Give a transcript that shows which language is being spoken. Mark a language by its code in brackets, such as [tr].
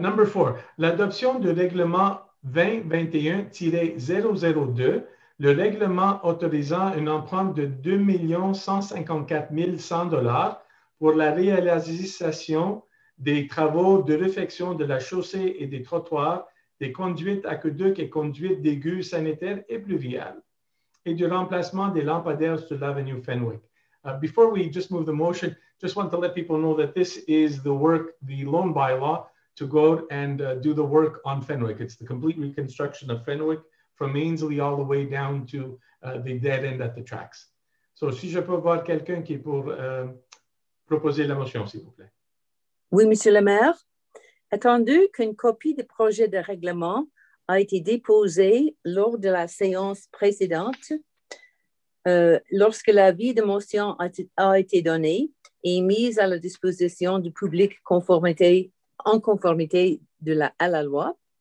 [en] Number four, [fr] l'adoption du règlement 2021-002, le règlement autorisant une empreinte de $2,154,100 pour la réalisation des travaux de réfection de la chaussée et des trottoirs, des conduites aqueduques et conduites d'égouts sanitaires et pluviales, et du remplacement des lampadaires sur l'avenue Fenwick. [en] Before we just move the motion, just want to let people know that this is the work, the loan bylaw, to go and do the work on Fenwick. It's the complete reconstruction of Fenwick from Ainslie all the way down to the dead end at the tracks. [fr] So, si je peux voir quelqu'un qui peut proposer la motion, s'il vous plaît. Oui, Monsieur le maire. Attendu qu'une copie du projet de règlement a été déposée lors de la séance précédente, lorsque l'avis de motion a été donné et mis à la disposition du public en conformité à la loi,